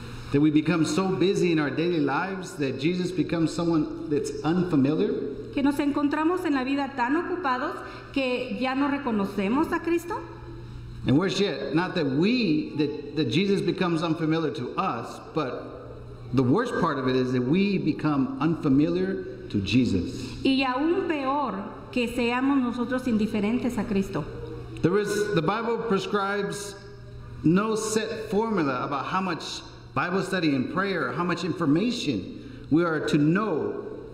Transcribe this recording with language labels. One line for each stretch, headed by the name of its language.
English: That we become so busy in our daily lives that Jesus becomes someone that's unfamiliar?
Spanish: Que nos encontramos en la vida tan ocupados que ya no reconocemos a Cristo?
English: And worse yet, not that that Jesus becomes unfamiliar to us, but the worst part of it is that we become unfamiliar to Jesus.
Spanish: Y aún peor, que seamos nosotros indiferentes a Cristo.
English: The Bible prescribes no set formula about how much Bible study and prayer, how much information we are to know.